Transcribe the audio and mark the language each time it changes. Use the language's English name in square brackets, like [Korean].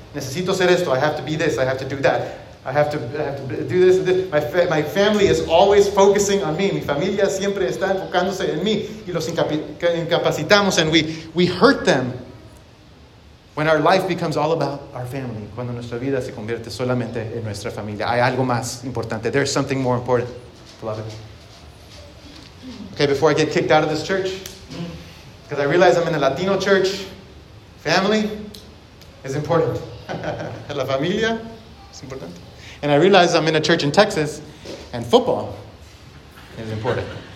[Spanish] Necesito ser esto, [English] I have to be this, I have to do that. I have to do this and this. My family is always focusing on me. [Spanish] Mi familia siempre está enfocándose en mí. Y los incapacitamos, [English] and we hurt them when our life becomes all about our family. [Spanish] Cuando nuestra vida se convierte solamente en nuestra familia. Hay algo más importante. [English] There's something more important. beloved. Okay, before I get kicked out of this church, because I realize I'm in a Latino church, family is important. [Spanish] La familia es importante. [English] And I realize I'm in a church in Texas, and football is important.